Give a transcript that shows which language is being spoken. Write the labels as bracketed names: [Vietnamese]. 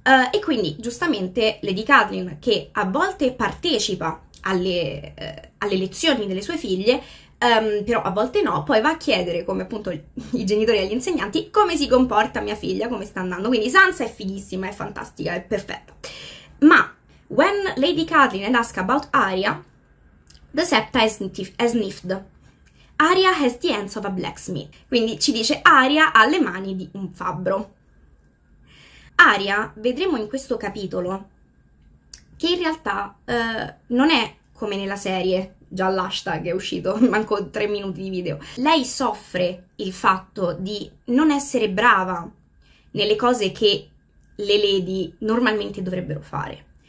[Italian] E quindi, giustamente, Lady Catelyn, che a volte partecipa alle lezioni delle sue figlie, però a volte no, poi va a chiedere, come appunto i genitori agli insegnanti, come si comporta mia figlia, come sta andando. Quindi Sansa è fighissima, è fantastica, è perfetta. [English] Ma when Lady Catelyn asks about Arya, the Septa has sniffed. Arya has the hands of a blacksmith. [Italian] Quindi ci dice: Arya ha le mani di un fabbro. Arya, vedremo in questo capitolo che in realtà non è come nella serie, già l'hashtag è uscito, manco 3 minuti di video. Lei soffre il fatto di non essere brava nelle cose che le lady normalmente dovrebbero fare.